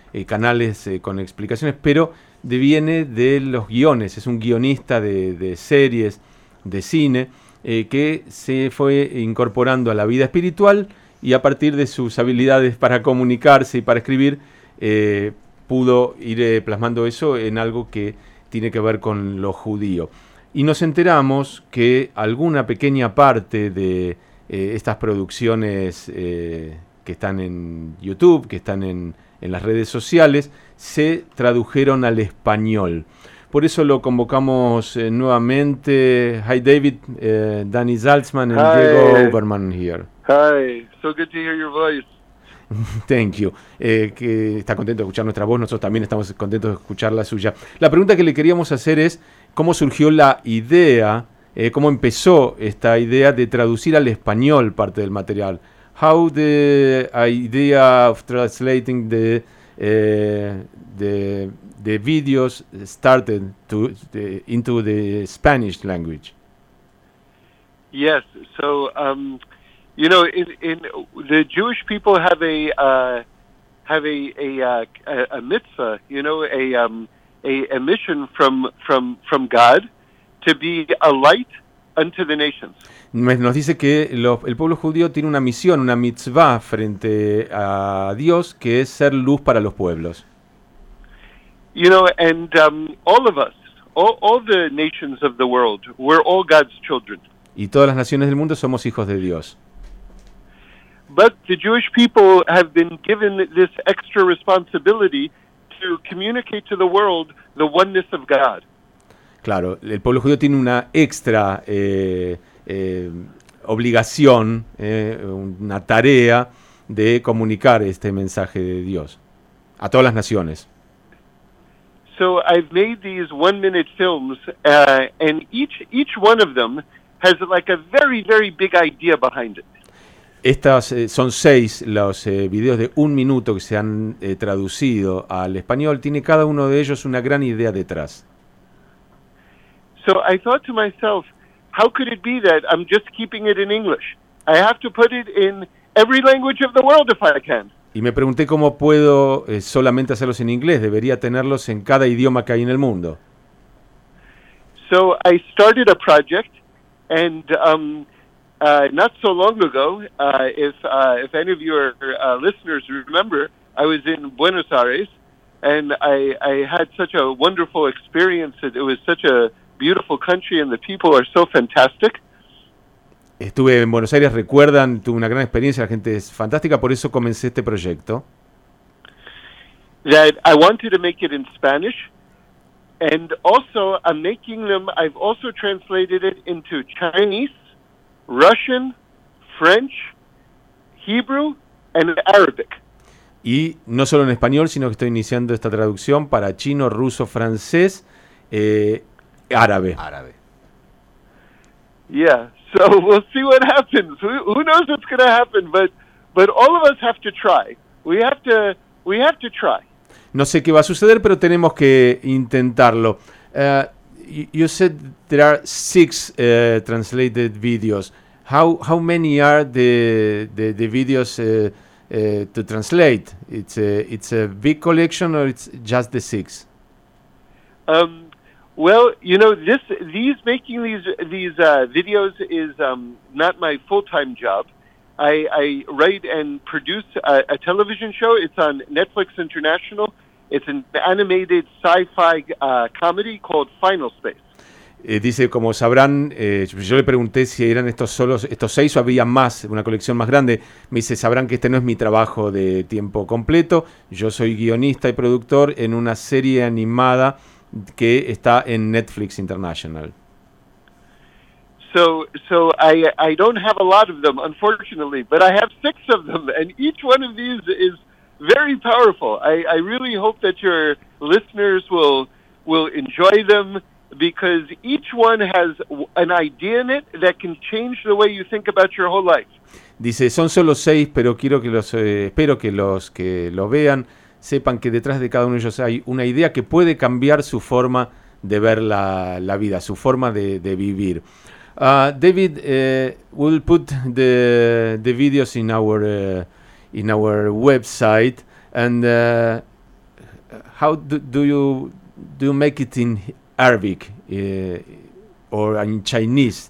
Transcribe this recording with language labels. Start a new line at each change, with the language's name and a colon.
Spanish: canales con explicaciones, pero viene de los guiones, es un guionista de series, de cine, que se fue incorporando a la vida espiritual y a partir de sus habilidades para comunicarse y para escribir, pudo ir plasmando eso en algo que tiene que ver con lo judío. Y nos enteramos que alguna pequeña parte de estas producciones que están en YouTube, que están en las redes sociales, se tradujeron al español. Por eso lo convocamos nuevamente.
English: Hi David, Danny Zaltzman and Diego Oberman here. Hi, so good to hear your voice. Thank you.
Spanish: Que está contento de escuchar nuestra voz, nosotros también estamos contentos de escuchar la suya. La pregunta que le queríamos hacer es, ¿cómo surgió la idea, cómo empezó esta idea de traducir al español parte del material?
English: How the idea of translating the videos started to into the Spanish language? Yes, so you know, in the Jewish people have a mitzvah, you know, a mission from God to be a light unto the nations.
Spanish: Nos dice que el pueblo judío tiene una misión, una mitzvah frente a Dios, que es ser luz para los pueblos.
English: You know, and all of us, all the nations of the world, we're all God's children.
Spanish: Y todas las naciones del mundo somos hijos de Dios.
English: But the Jewish people have been given this extra responsibility to communicate to the world the oneness of God.
Spanish: Claro, el pueblo judío tiene una extra obligación, una tarea de comunicar este mensaje de Dios a todas las naciones.
English: So I've made these 1 minute films, and each one of them has like a very, very big idea behind it.
Spanish: Estas son seis los videos de un minuto que se han traducido al español. Tiene cada uno de ellos una gran idea detrás.
English: So I thought to myself, how could it be that I'm just keeping it in English? I have to put it in every language of the world if I can.
Spanish: Y me pregunté cómo puedo solamente hacerlos en inglés. Debería tenerlos en cada idioma que hay en el mundo.
English: So I started a project, and not so long ago, if any of your listeners remember, I was in Buenos Aires, and I had such a wonderful experience. It was such a beautiful country, and the people are so fantastic.
Spanish: Estuve en Buenos Aires, recuerdan, tuve una gran experiencia, la gente es fantástica, por eso comencé este proyecto.
English: That I wanted to make it in Spanish, and also I'm making them, I've also translated it into Chinese, Russian, French, Hebrew, and Arabic.
Spanish: Y no solo en español, sino que estoy iniciando esta traducción para chino, ruso, francés, árabe. Árabe.
English: Yeah. So we'll see what happens. Who knows what's going to happen, but all of us have to try. We have to try.
Spanish: No sé qué va a suceder, pero tenemos que intentarlo.
English: You said there are six translated videos. How many are the videos to translate? It's a big collection, or it's just the six? Well, you know, making these videos is not my full-time job. I write and produce a television show. It's on Netflix International. It's an animated sci-fi comedy called Final Space.
Spanish: Dice, como sabrán, yo le pregunté si eran estos seis o había más, una colección más grande. Me dice, sabrán que este no es mi trabajo de tiempo completo. Yo soy guionista y productor en una serie animada que está en Netflix International.
English: So I don't have a lot of them, unfortunately, but I have six of them, and each one of these is very powerful. I really hope that your listeners will will enjoy them because each one has an idea in it that can change the way you think about your whole life.
Spanish: Dice, son solo seis, pero quiero que los espero que los que lo vean sepan que detrás de cada uno de ellos hay una idea que puede cambiar su forma de ver la vida, su forma de vivir.
English: David, we'll put the videos in our website, and how do you make it in Arabic or in Chinese?